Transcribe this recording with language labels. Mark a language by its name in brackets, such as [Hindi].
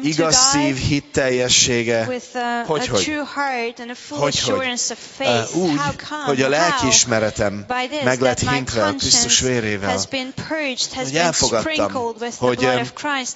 [Hungarian] igaz szív, hit teljessége. [English] With a true heart and a full assurance of faith. [Hungarian] Úgy, [English] how come? [Hungarian] Hogy a lelkiismeretem meg lett hintve a Krisztus vérével. [English] Has been purged, has been sprinkled with the blood of Christ.